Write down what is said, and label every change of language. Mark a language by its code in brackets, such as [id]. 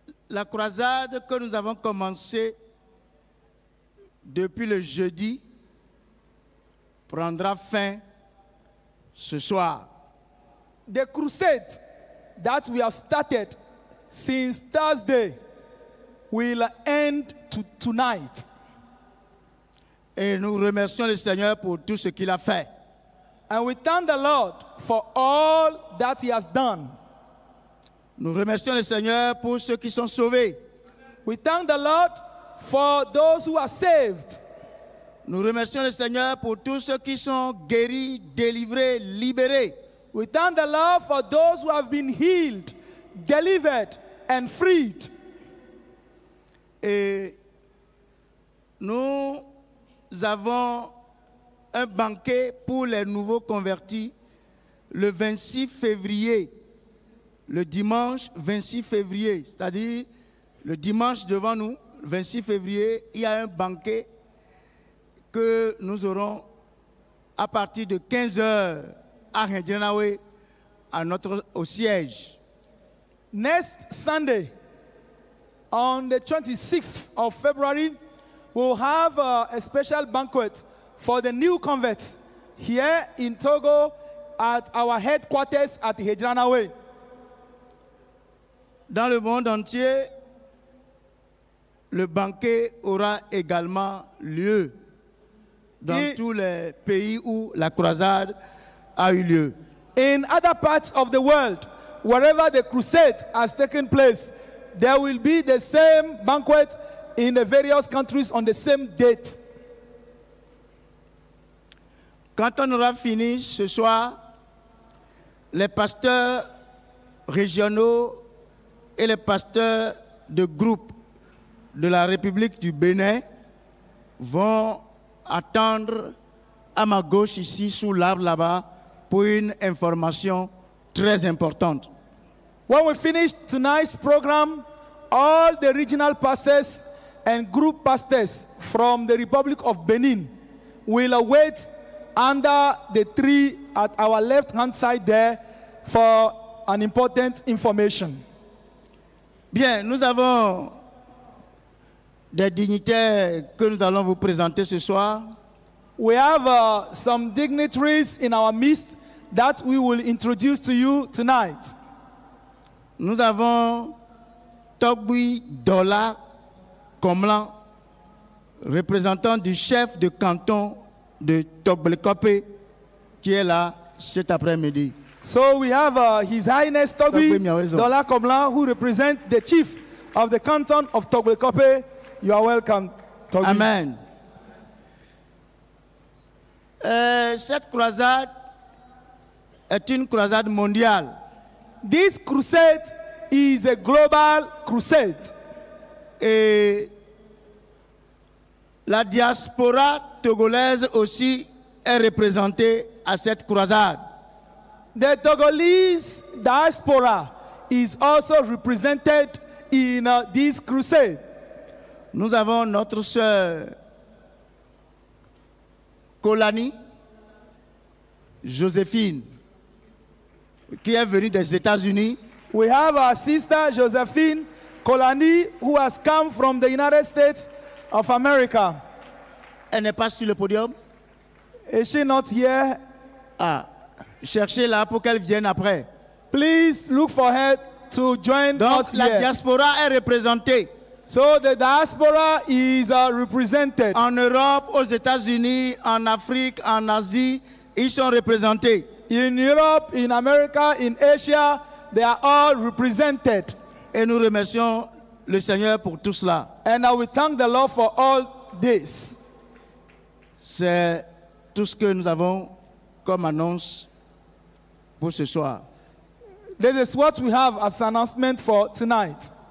[fr] La croisade que nous avons commencée depuis le jeudi prendra fin ce soir. [en] The crusade that we have started since Thursday will end tonight. [fr] Et nous remercions le Seigneur pour tout ce qu'il a fait. [en] And we thank the Lord for all that he has done. [fr] Nous remercions le Seigneur pour ceux qui sont sauvés. [en] We thank the Lord for those who are saved. [fr] Nous remercions le Seigneur pour tous ceux qui sont guéris, délivrés, libérés. [en] We thank the Lord for those who have been healed, delivered, and freed. [fr] Et nous avons un banquet pour les nouveaux convertis le 26 février. Le dimanche 26 février, c'est-à-dire le dimanche devant nous, 26 février, il y a un banquet que nous aurons à partir de 15 heures à Rindinawe, à notre au siège. [en] Next Sunday, on the 26th of February, we'll have a special banquet for the new converts here in Togo at our headquarters at Rindinawe. [fr] Dans le monde entier, le banquet aura également lieu dans tous les pays où la croisade a eu lieu. [en] In other parts of the world, wherever the crusade has taken place, there will be the same banquet in the various countries on the same date. [fr] Quand on aura fini ce soir, les pasteurs régionaux et les pasteurs de groupe de la République du Bénin vont attendre à ma gauche ici sous l'arbre là-bas pour une information très importante. [en] When we finish tonight's program, all the regional pastors and group pastors from the Republic of Benin will await under the tree at our left hand side there for an important information. [fr] Bien, nous avons des dignitaires que nous allons vous présenter ce soir. [en] We have some dignitaries in our midst that we will introduce to you tonight. [fr] Nous avons Togbui Dola Komlan, représentant du chef de canton de Togbelekope, qui est là cet après-midi. [en] So we have His Highness Togbui Dola Komlan, who represents the chief of the canton of Togbelekope. You are welcome, Togbui. Amen. [fr] Cette croisade est une croisade mondiale. [en] This crusade is a global crusade. [fr] Et la diaspora togolaise aussi est représentée à cette croisade. [en] The Togolese diaspora is also represented in this crusade. [fr] Nous avons notre sœur Kolani Josephine qui est venue des États-Unis. [en] We have our sister Josephine Kolani who has come from the United States of America. [fr] Elle n'est pas sur le podium. [en] Is she not here? [fr] Ah. Cherchez-la pour qu'elle vienne après. [en] Please look for her to join [fr] Donc, [en] us [fr] la [en] here. [fr] Diaspora est représentée. [en] So the diaspora is represented. [fr] En Europe, aux États-Unis, en Afrique, en Asie, ils sont représentés. [en] In Europe, in America, in Asia, they are all represented. [fr] Et nous remercions le Seigneur pour tout cela. [en] And I will thank the Lord for all this. [fr] C'est tout ce que nous avons comme annonce pour ce soir. [en] This is what we have as announcement for tonight.